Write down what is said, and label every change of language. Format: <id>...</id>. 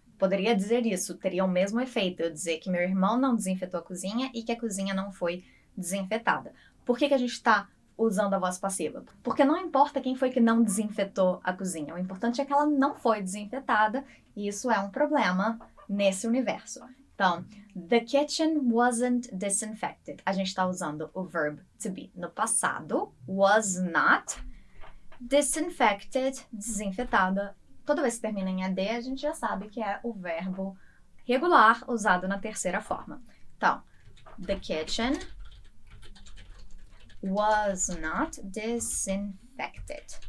<pt>Poderia dizer isso, teria o mesmo efeito, eu dizer que meu irmão não desinfetou a cozinha e que a cozinha não foi desinfetada. Por que que a gente está usando a voz passiva? Porque não importa quem foi que não desinfetou a cozinha, o importante é que ela não foi desinfetada e isso é um problema nesse universo. Então,</pt> <en>the kitchen wasn't disinfected.</en> <pt>A gente está usando o verb to be no passado,</pt> <en>was not disinfected,</en> <pt>desinfetada. Toda vez que termina em AD, a gente já sabe que é o verbo regular usado na terceira forma.</pt> <en>Então, the kitchen was not disinfected.</en>